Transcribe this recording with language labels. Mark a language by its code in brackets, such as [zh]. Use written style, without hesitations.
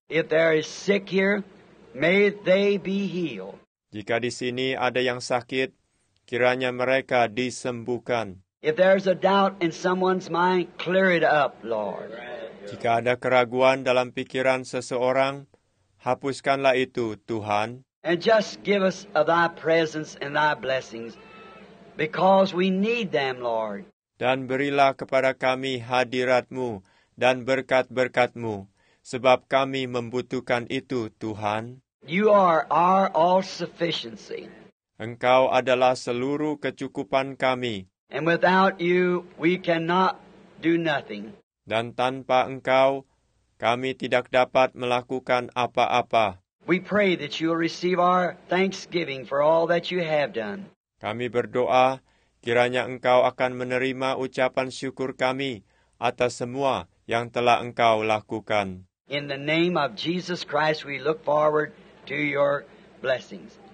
[en] If there is sick here, may they be healed. [id] Jika di sini ada yang sakit, kiranya mereka disembuhkan. [en] If there is a doubt in someone's mind, clear it up, Lord. [id] Jika ada keraguan dalam pikiran seseorang, hapuskanlah itu, Tuhan. [en] And just give us of thy presence and thy blessings, because we need them, Lord. [id] Dan berilah kepada kami hadirat-Mu dan berkat-berkat-Mu, sebab kami membutuhkan itu, Tuhan. [en] You are our all-sufficiency. [id] Engkau adalah seluruh kecukupan kami. [en] And without you, we cannot do nothing. [id] Dan tanpa engkau, kami tidak dapat melakukan apa-apa. [en] We pray that you will receive our thanksgiving for all that you have done. [id] Kami berdoa, kiranya engkau akan menerima ucapan syukur kami atas semua yang telah engkau lakukan. [en] In the name of Jesus Christ, we look forward to your blessings.